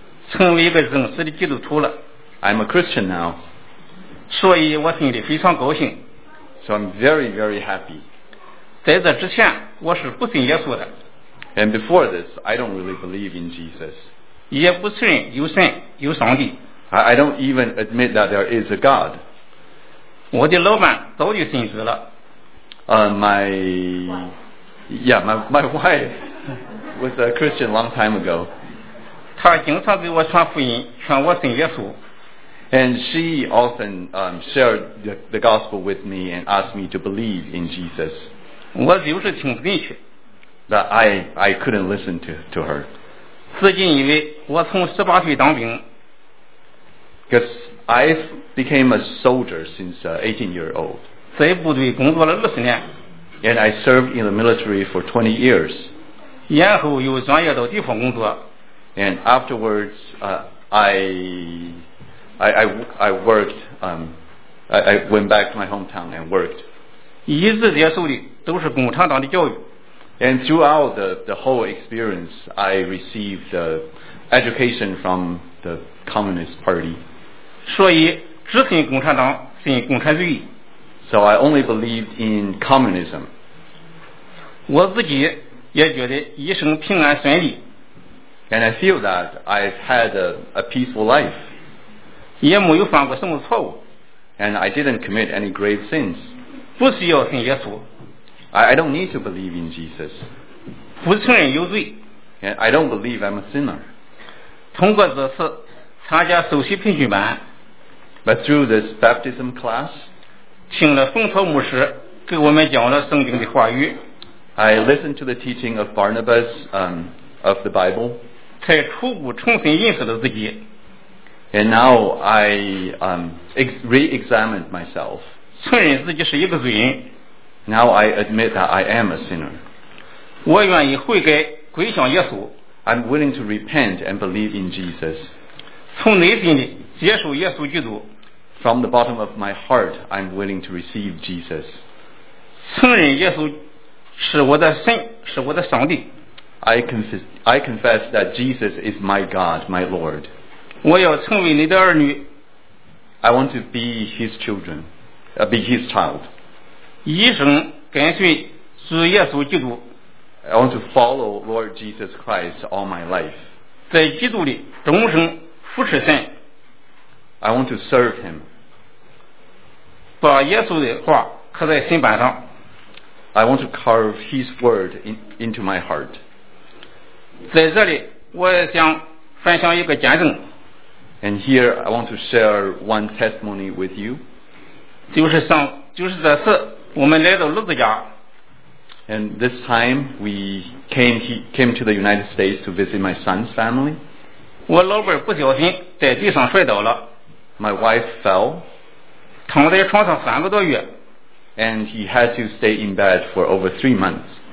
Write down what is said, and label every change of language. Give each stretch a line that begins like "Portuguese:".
Chinese: 成为一个真实的基督徒了。
English: I'm a Christian now.
Chinese: 所以我心里非常高兴。
English: So I'm very, very happy.
Chinese: 在这之前，我是不信耶稣的。
English: And before this, I don't really believe in Jesus.
Chinese: 也不承认有神有上帝。
English: I don't even admit that there is a God.
Chinese: 我的老板早就信主了。
English: My wife was a Christian long time ago.
Chinese: 她经常给我传福音，劝我信耶稣。
English: And she often shared the gospel with me and asked me to believe in Jesus.
Chinese: 我就是听不进去。
English: That I couldn't listen to her.
Chinese: 自己以为我从十八岁当兵。
English: Because I became a soldier since 18 years old.
Chinese: 在部队工作了二十年。
English: And I served in the military for 20 years.
Chinese: 然后又转业到地方工作。
English: And afterwards, I went back to my hometown and worked.
Chinese: 一直接受的都是共产党的教育。
English: And throughout the whole experience, I received the education from the Communist Party.
Chinese: 所以只信共产党，信共产主义。
English: So I only believed in communism.
Chinese: 我自己也觉得一生平安顺利。
English: And I feel that I've had a peaceful life.
Chinese: 也没有犯过什么错误。
English: And I didn't commit any grave sins.
Chinese: 不需要信耶稣。
English: I don't need to believe in Jesus.
Chinese: 不承认有罪。
English: And I don't believe I'm a sinner.
Chinese: 通过这次参加受洗培训班。
English: But through this baptism class,
Chinese: 听了冯涛牧师给我们讲了圣经的话语。
English: I listened to the teaching of Barnabas, of the Bible.
Chinese: 才初步重新认识了自己。
English: And now I re-examined myself.
Chinese: 承认自己是一个罪人。
English: Now I admit that I am a sinner.
Chinese: 我愿意悔改，归向耶稣。
English: I'm willing to repent and believe in Jesus.
Chinese: 从内心里接受耶稣基督。
English: From the bottom of my heart, I'm willing to receive Jesus.
Chinese: 承认耶稣是我的神，是我的上帝。
English: I confess that Jesus is my God, my Lord.
Chinese: 我要成为你的儿女。
English: I want to be His children, be His child.
Chinese: 一生跟随主耶稣基督。
English: I want to follow Lord Jesus Christ all my life.
Chinese: 在基督里终生服侍神。
English: I want to serve Him.
Chinese: 把耶稣的话刻在心板上。
English: I want to carve His word into my heart.
Chinese: 在这里，我想分享一个见证。
English: And here I want to share one testimony with you.
Chinese: 就是这次。我们来到鲁子家。
English: And this time we came to the United States to visit my son's family.
Chinese: 我老伴不小心在地上摔倒了。
English: My wife fell.
Chinese: 躺在床上三个多月。
English: And he had to stay in bed for over 3 months.